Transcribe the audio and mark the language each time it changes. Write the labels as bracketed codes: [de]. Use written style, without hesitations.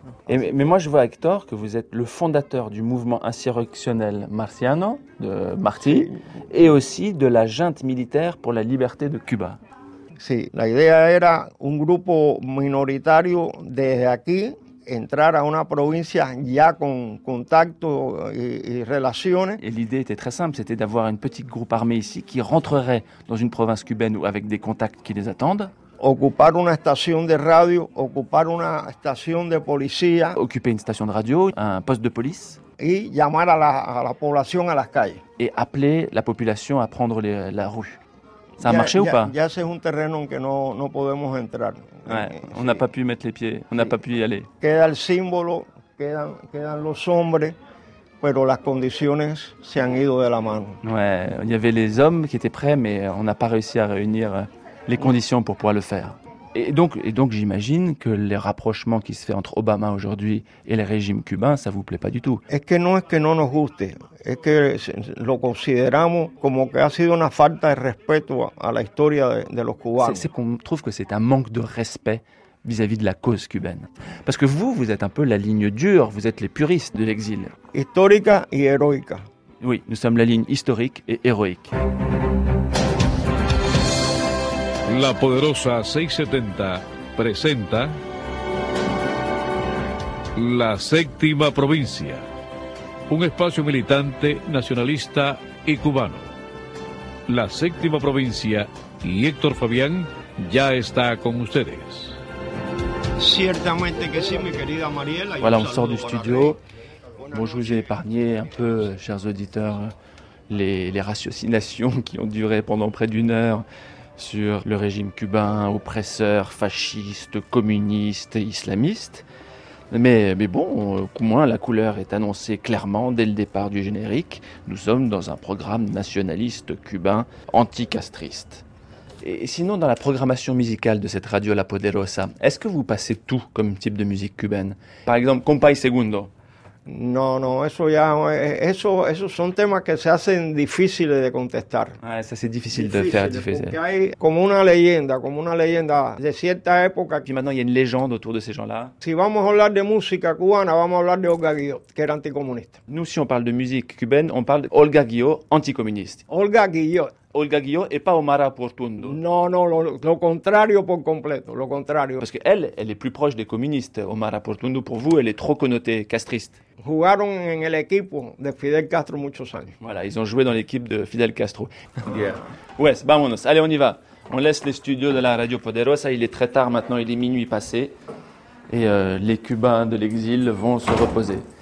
[fr] Et, mais moi, je vois, Hector, que vous êtes le fondateur du mouvement insurrectionnel marciano, de Martí, et aussi de la junte militaire pour la liberté de Cuba. [es] Sí, la idea era un grupo minoritario desde aquí entrar a una provincia ya con contacto y relaciones. [fr] Et l'idée était très simple, c'était d'avoir une petite groupe armée ici qui rentrerait dans une province cubaine ou avec des contacts qui les attendent. [es] Ocupar una estación de radio, ocupar una estación de policía. [fr] Occuper une station de radio, un poste de police. [es] Y llamar a la población a las calles. [fr] Et appeler la population à prendre la rue. Ça a marché ou pas? [es] Ya ese es un terreno en que no podemos entrar. [fr] On n'a pas pu mettre les pieds, on n'a pas pu y aller. [es] Queda el símbolo, quedan los hombres, pero las condiciones se han ido de la mano. [fr] Ouais, il y avait les hommes qui étaient prêts, mais on n'a pas réussi à réunir les conditions pour pouvoir le faire. Et donc, j'imagine que les rapprochements qui se font entre Obama aujourd'hui et le régime cubain, ça ne vous plaît pas du tout. [es] Es que no es que no nos guste, es que lo consideramos como que ha sido una falta de respeto a la historia de los cubanos. [fr] C'est qu'on trouve que c'est un manque de respect vis-à-vis de la cause cubaine. Parce que vous êtes un peu la ligne dure, vous êtes les puristes de l'exil. [es] Histórica y heroica. [fr] Oui, nous sommes la ligne historique et héroïque. [es] La Poderosa 670 presenta La Séptima Provincia, un espacio militante, nacionalista y cubano. La Séptima Provincia y Héctor Fabián ya está con ustedes. Ciertamente que sí, mi querida Mariela. [fr] Voilà, on sort du studio. Bon, je vous ai épargné un peu, chers auditeurs, les ratiocinations qui ont duré pendant près d'une heure sur le régime cubain, oppresseur, fasciste, communiste, islamiste. Mais bon, au moins la couleur est annoncée clairement dès le départ du générique. Nous sommes dans un programme nationaliste cubain anticastriste. Et sinon, dans la programmation musicale de cette radio La Poderosa, est-ce que vous passez tout comme type de musique cubaine? Par exemple, Compay Segundo. Non, [es] eso son temas que se hacen difíciles de contestar. [fr] Ah, ça c'est difficile de faire difficile. [es] Porque hay como una leyenda de cierta época. [fr] Puis maintenant, il y a une légende autour de ces gens-là. [es] Si vamos a hablar de música cubana, vamos a hablar de Olga Guillot, que era anticomunista. [fr] Nous, si on parle de musique cubaine, on parle d'Olga Guillot, anticommuniste. Olga Guillot. Olga Guillot et pas Omar Aportundo. [es] Non, lo contrario por completo, lo contrario. [fr] Parce qu'elle est plus proche des communistes, Omar Aportundo. Pour vous, elle est trop connotée castriste. [es] Jugaron en el equipo de Fidel Castro muchos años. [fr] Voilà, ils ont joué dans l'équipe de Fidel Castro. [en] Yeah. [fr] Ouais, [es] vámonos. [fr] Allez, on y va. On laisse les studios de la Radio Poderosa. Il est très tard maintenant, il est minuit passé. Et les Cubains de l'exil vont se reposer.